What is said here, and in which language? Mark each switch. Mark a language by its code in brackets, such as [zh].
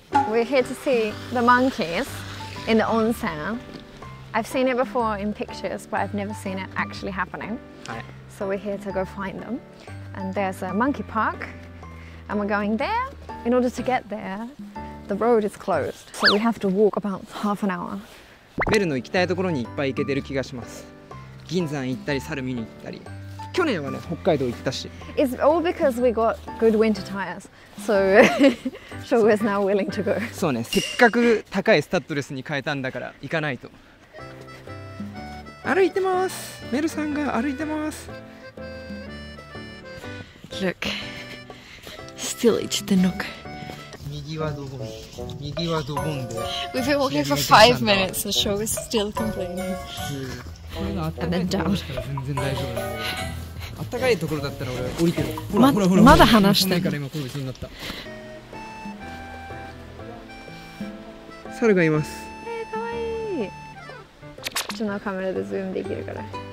[en] We're here to see the monkeys in the onsen. I've seen it before in pictures, but I've never seen it actually happening. So we're here to go find them. And there's a monkey park, and we're going there. In order to get there, the road is closed. So we have to walk about half an hour. [ja] Bell の行きたいところにいっぱい行けてる気がします。銀山行ったり、猿見に行ったり。去年はね、北海道行ったし。 [en] It's all because we got good winter tires. So, Shogo is now willing to go. [ja] そうね、せっかく高いスタッドレスに変えたんだから、行かないと。歩いてます。メルさんが歩いてます。 [en] Look. Still each the nook. [ja] 右はドボン。右はドボンで。 [en] We've been walking for 5 minutes, and Shogo is still complaining. And then down. [ja] 全然大丈夫。暖かいところだったら俺降りてる。ほらほらほら。まだ話してないから今こういう風になった。猿がいます。かわいい。こっちのカメラでズームできるから。